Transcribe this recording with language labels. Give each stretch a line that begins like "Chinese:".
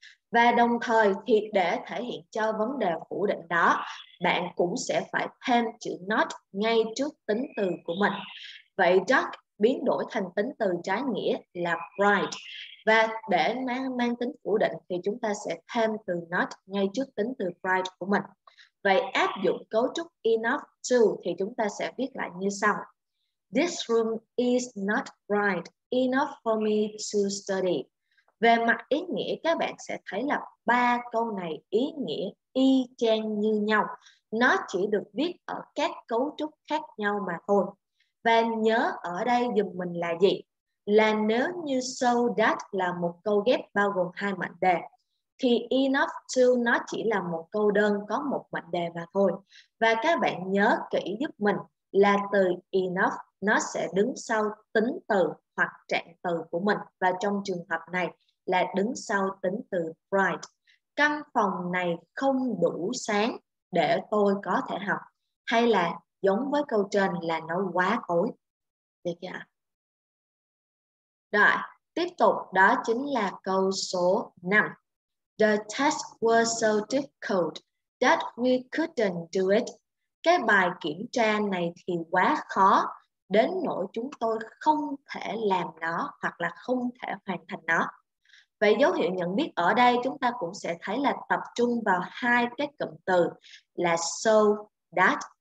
Vietnamese: Và đồng thời thì để thể hiện cho vấn đề phủ định đó, bạn cũng sẽ phải thêm chữ not ngay trước tính từ của mình. Vậy just biến đổi thành tính từ trái nghĩa là bright. Và để mang tính phủ định thì chúng ta sẽ thêm từ not ngay trước tính từ bright của mình. Vậy áp dụng cấu trúc enough to thì chúng ta sẽ viết lại như sau.
English: This room is not bright enough for me to study.
Vietnamese: Về mặt ý nghĩa, các bạn sẽ thấy là ba câu này ý nghĩa y chang như nhau. Nó chỉ được viết ở các cấu trúc khác nhau mà thôi. Và nhớ ở đây giùm mình là gì? Là nếu như so that là một câu ghép bao gồm hai mệnh đề, thì enough to nó chỉ là một câu đơn có một mệnh đề mà thôi. Và các bạn nhớ kỹ giúp mình là từ enough nó sẽ đứng sau tính từ hoặc trạng từ của mình, và trong trường hợp này là đứng sau tính từ bright. Căn phòng này không đủ sáng để tôi có thể học, hay là giống với câu trên là nó quá tối. Được chưa? Rồi, tiếp tục đó chính là câu số 5.
English: The test was so difficult that we couldn't do it.
Vietnamese: Cái bài kiểm tra này thì quá khó đến nỗi chúng tôi không thể làm nó hoặc là không thể hoàn thành nó. Vậy dấu hiệu nhận biết ở đây chúng ta cũng sẽ thấy là tập trung vào hai cái cụm từ là so that.